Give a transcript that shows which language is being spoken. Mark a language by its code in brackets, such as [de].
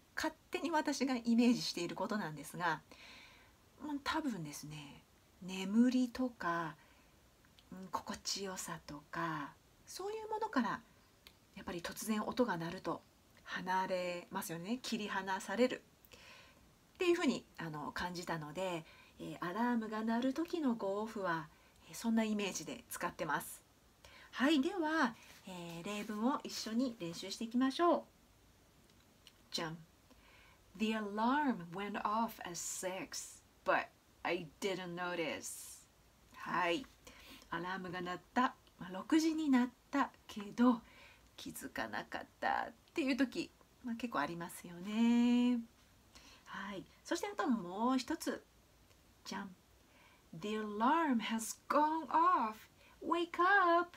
[ja] 勝手に私がイメージしていることなんですが、多分ですね、眠りとか、心地よさとかそういうものから、やっぱり突然音が鳴ると離れますよね、切り離されるっていうふうに感じたので、アラームが鳴る時のゴーオフはそんなイメージで使ってます。はい、では、例文を一緒に練習していきましょう。じゃん。 [en] The alarm went off at 6, but I didn't notice. [ja] はい、アラームが鳴った、6時になったけど気づかなかったっていう時、結構ありますよね。はい、そしてあともう一つ、じゃん。 [en] The alarm has gone off. Wake up!